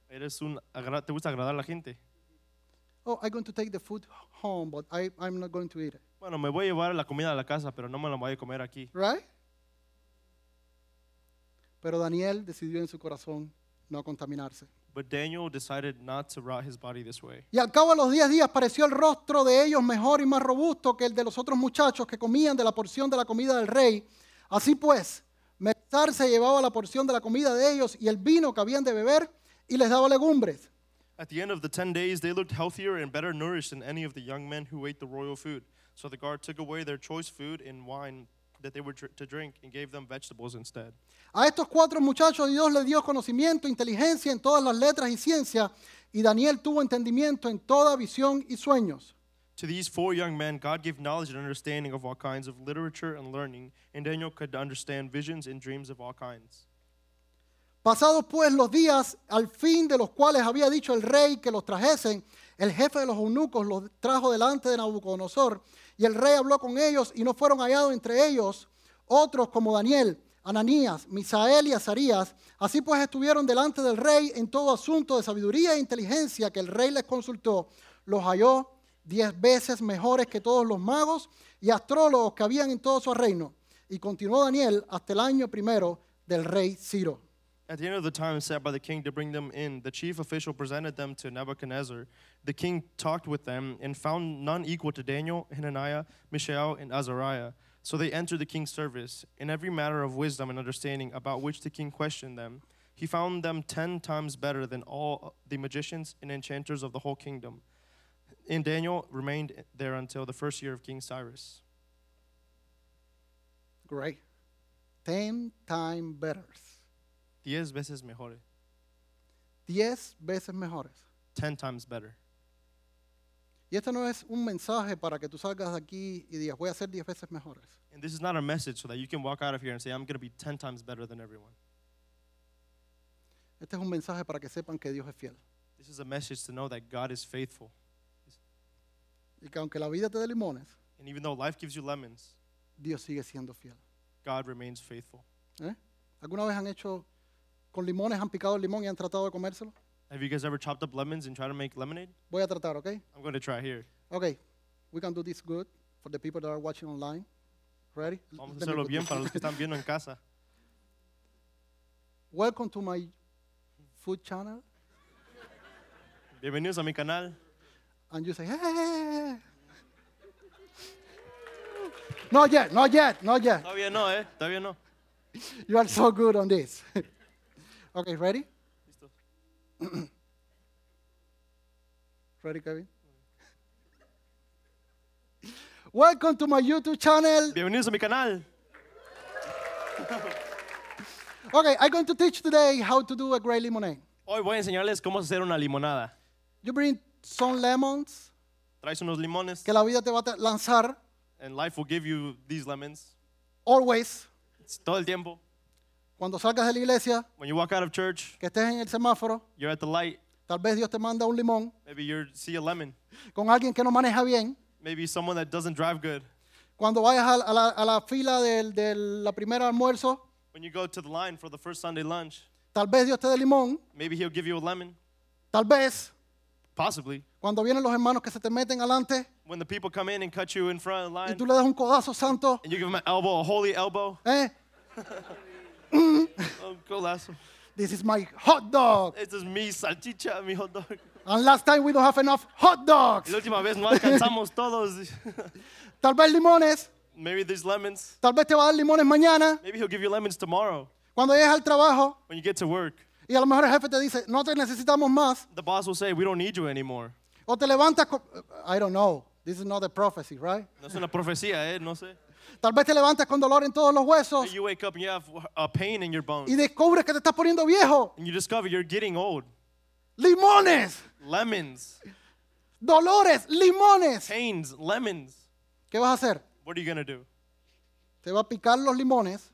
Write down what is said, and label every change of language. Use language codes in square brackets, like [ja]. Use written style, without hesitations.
[es] Eres un te gusta agradar a la gente. [en] Oh, I'm going to take the food home, but I'm not going to eat it. [es] Bueno, me voy a llevar la comida a la casa, pero no me la voy a comer aquí. [en] Right? [es] Pero Daniel decidió en su corazón no contaminarse. [en] But Daniel decided not to rot his body this way. [es] Y al cabo de los 10 días pareció el rostro de ellos mejor y más robusto que el de los otros muchachos que comían de la porción de la comida del rey. Así pues, Mesar se llevaba la porción de la comida de ellos y el vino que habían de beber y les daba legumbres. [en] At the end of the 10 days, they looked healthier and better nourished than any of the young men who ate the royal food. So the guard took away their choice food and wine that they were to drink and gave them vegetables instead. [es] A estos cuatro muchachos Dios les dio conocimiento, inteligencia en todas las letras y ciencia, y Daniel tuvo entendimiento en toda visión y sueños. [en] To these four young men, God gave knowledge and understanding of all kinds of literature and learning, and Daniel could understand visions and dreams of all kinds. [es] Pasados pues los días al fin de los cuales había dicho el rey que los trajesen, el jefe de los eunucos los trajo delante de Nabucodonosor, y el rey habló con ellos, y no fueron hallados entre ellos otros como Daniel, Ananías, Misael y Azarías. Así pues estuvieron delante del rey en todo asunto de sabiduría e inteligencia que el rey les consultó. Los halló 10 veces mejores que todos los magos y astrólogos que habían en todo su reino. Y continuó Daniel hasta el año primero del rey Ciro. [en] At the end of the time set by the king to bring them in, the chief official presented them to Nebuchadnezzar. The king talked with them and found none equal to Daniel, Hananiah, Mishael, and Azariah. So they entered the king's service. In every matter of wisdom and understanding about which the king questioned them, he found them 10 times better than all the magicians and enchanters of the whole kingdom. And Daniel remained there until the first year of King Cyrus. Great. 10 times better. [es] 10 veces mejores. 10 veces mejores. [en] 10 times better. [es] Y esto no es un mensaje para que tú salgas de aquí y digas, voy a ser 10 veces mejores. [en] And this is not a message so that you can walk out of here and say, I'm going to be 10 times better than everyone. [es] Este es un mensaje para que sepan que Dios es fiel. [en] This is a message to know that God is faithful. [es] Y que aunque la vida te dé limones, [en] and even though life gives you lemons, [es] Dios sigue siendo fiel. [en] God remains faithful. [es] ¿Alguna vez han hecho con limones, han picado el limón y han tratado de comérselo? [en] Have you guys ever chopped up lemons and tried to make lemonade? [es] Voy a tratar, okay? [en] I'm going to try here. Okay, we can do this good for the people that are watching online. Ready? [es] Vamos a hacerlo bien para los que están viendo en casa. [en] Welcome to my food channel. [es] Bienvenidos a mi canal. [en] And you say, hey. Not yet. [es] Todavía no, todavía no. [en] You are so good on this. Okay, ready? Ready, Kevin? Welcome to my YouTube channel. [es] Bienvenidos a mi canal. [en] Okay, I'm going to teach today how to do a great lemonade. [es] Hoy voy a enseñarles cómo hacer una limonada. [en] You bring some lemons. [es] Traes unos limones. Que la vida te va a lanzar. [en] And life will give you these lemons. Always. [es] Todo el tiempo. Cuando salgas de la iglesia. [en] When you walk out of church. [es] Que estés en el semáforo. [en] You're at the light. [es] Tal vez Dios te manda un limón. [en] Maybe you see a lemon. [es] Con alguien que no maneja bien. [en] Maybe someone that doesn't drive good. [es] Cuando vayas a la fila del primer almuerzo. [en] When you go to the line for the first Sunday lunch. [es] Tal vez Dios te dé limón. [en] Maybe he'll give you a lemon. [es] Tal vez. [en] Possibly. [es] Cuando vienen los hermanos que se te meten adelante. [en] When the people come in and cut you in front of the line. [es] Y tú le das un codazo santo. [en] And you give them an elbow, a holy elbow. [es] Codazo. [en] This is my hot dog. This is [es] mi salchicha, mi [en] hot dog. And last time we don't have enough hot dogs. [es] La última vez no alcanzamos todos. Tal vez limones. [en] Maybe these lemons. [es] Tal vez te va a dar limones mañana. [en] Maybe he'll give you lemons tomorrow. [es] Cuando llegues al trabajo. [en] When you get to work. [es] Y a lo mejor el jefe te dice, no te necesitamos más. [en] The boss will say, we don't need you anymore. [es] O te levantas, [en] I don't know. This is not a prophecy, right? [es] No es una profecía, no sé. Tal vez te levantas con dolor en todos los huesos. [en] You wake up and you have a pain in your bones. [es] Y descubres que te estás poniendo viejo. [en] And you discover you're getting old. [es] Limones. [en] Lemons. [es] Dolores, limones. [en] Pains, lemons. [es] ¿Qué vas a hacer? [en] What are you going to do? [es] Te va a picar los limones.